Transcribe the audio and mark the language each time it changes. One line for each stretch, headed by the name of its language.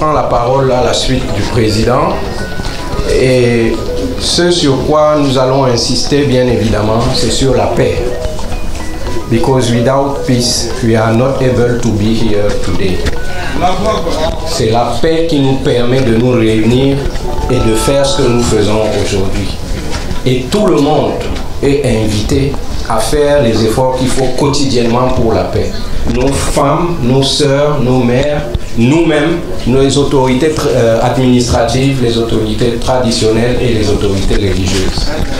French: Parole à la suite du président, et ce sur quoi nous allons insister, bien évidemment, c'est sur la paix.
English: Because without peace, we are not able to be here today.
French: C'est la paix qui nous permet de nous réunir et de faire ce que nous faisons aujourd'hui. Et tout le monde est invité à faire les efforts qu'il faut quotidiennement pour la paix. Nos femmes, nos sœurs, nos mères, nous-mêmes, les autorités administratives, les autorités traditionnelles et les autorités religieuses.